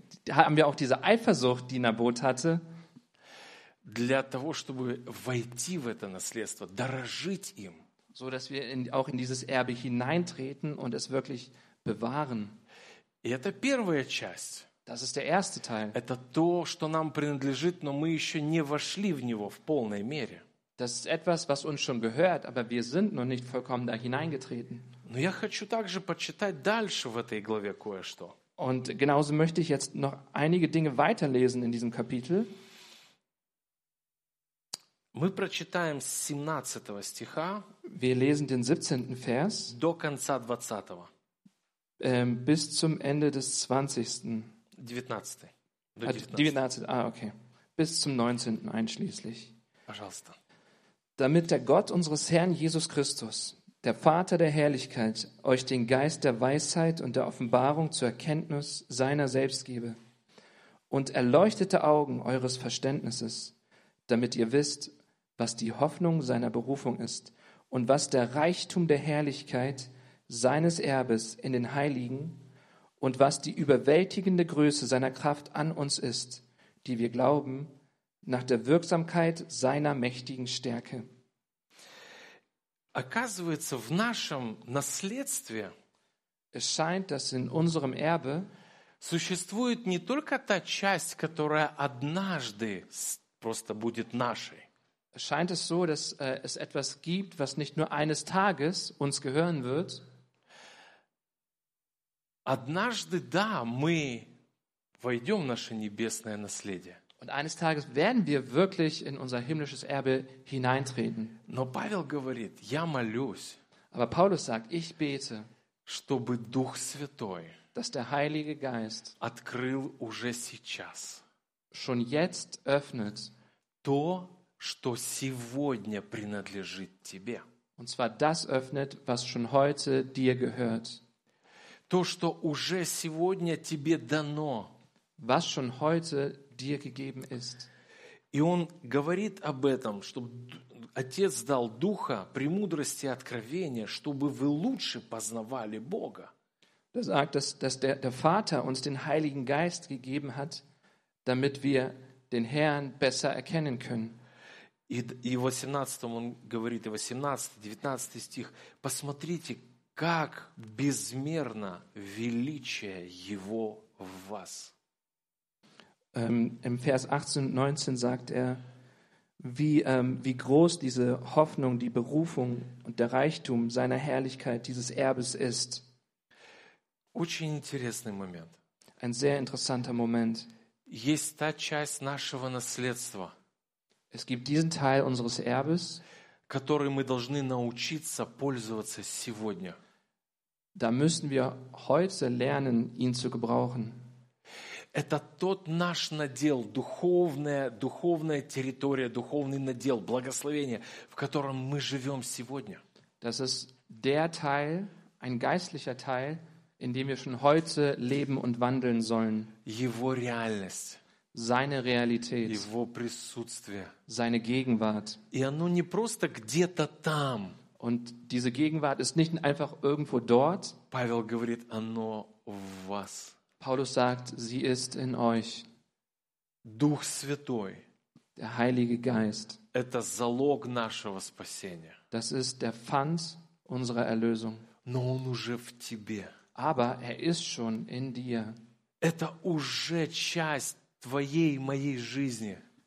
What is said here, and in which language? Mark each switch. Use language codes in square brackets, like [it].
[de] Haben wir auch diese Eifersucht, die Nabot hatte? [ru] Для того, чтобы войти в это наследство, дорожить им. [de] so dass wir in, auch in dieses Erbe hineintreten und es wirklich bewahren. [ru] Это первая часть. [de] Das ist der erste Teil. [ru] Это то, что нам принадлежит, но мы еще не вошли в него в полной мере. [de] Das ist etwas, was uns schon gehört, aber wir sind noch nicht vollkommen da hineingetreten. [ru] Но я хочу также почитать дальше в этой главе кое-что. [de] Und genauso möchte ich jetzt noch einige Dinge weiterlesen in diesem Kapitel. [ru] Мы прочитаем с 17 стиха. [de] Wir lesen den 17. Vers. [ru] До конца 20-го. [de] Bis zum Ende des 20. 19. 19. Ah, okay. Bis zum 19. einschließlich. [ru] Пожалуйста. [de] Damit der Gott unseres Herrn Jesus Christus, der Vater der Herrlichkeit, euch den Geist der Weisheit und der Offenbarung zur Erkenntnis seiner selbst gebe und erleuchtete Augen eures Verständnisses, damit ihr wisst, was die Hoffnung seiner Berufung ist und was der Reichtum der Herrlichkeit seines Erbes in den Heiligen und was die überwältigende Größe seiner Kraft an uns ist, die wir glauben, nach der Wirksamkeit seiner mächtigen Stärke. [ru] Оказывается, в нашем наследстве, [de] es scheint, dass in unserem Erbe, [ru] существует не только та часть, которая однажды просто будет нашей. [de] Es scheint es so, dass es etwas gibt, was nicht nur eines Tages uns gehören wird. [ru] Однажды, да, мы войдем в наше небесное наследие. [de] Und eines Tages werden wir wirklich in unser himmlisches Erbe hineintreten. [ru] Но Павел говорит, я молюсь. [de] Aber Paulus sagt, ich bete, [ru] чтобы Дух Святой, [de] dass der Heilige Geist, [ru] открыл уже сейчас, [de] schon jetzt öffnet, [ru] то, что сегодня принадлежит тебе. [de] Und zwar das öffnet, was schon heute dir gehört. [ru] То, что уже сегодня тебе дано, [de] was schon heute dir gegeben ist. [ru] И он говорит об этом, чтобы Отец дал Духа, премудрости и откровения, чтобы вы лучше познавали Бога. [de] Da sagt, dass der Vater uns den Heiligen Geist gegeben hat, damit wir den Herrn besser erkennen können. [ru] И в 18-м он говорит, и 18-й, 19-й стих, посмотрите, как безмерно величие Его в вас. [de] Im Vers 18 und 19 sagt er, wie groß diese Hoffnung, die Berufung und der Reichtum seiner Herrlichkeit, dieses Erbes ist. [ru] Очень интересный момент. [de] Ein sehr interessanter Moment. [ru] Есть та часть нашего наследства. [de] Es gibt diesen Teil unseres Erbes, [ru] который мы должны научиться пользоваться сегодня. [de] Da müssen wir heute lernen, ihn zu gebrauchen. [ru] Это тот наш надел, духовная территория, духовный надел, благословение, в котором мы живем сегодня. [de] Das ist der Teil, ein geistlicher Teil, in dem wir schon heute leben und wandeln sollen. [ru] Его реальность. [de] Seine Realität. [ru] Его присутствие. [de] Seine Gegenwart. [ru] И оно не просто где-то там. [de] Und diese Gegenwart ist nicht einfach irgendwo dort. [ru] Павел говорит, оно в вас. [de] Paulus sagt, sie ist in euch. [ru] Дух Святой. [de] Der Heilige Geist. [ru] Это залог нашего спасения. [de] Das ist der Pfand unserer Erlösung. [ru] Но он уже в тебе. [de] Aber er ist schon in dir. [ru] Это уже часть твоей, моей жизни.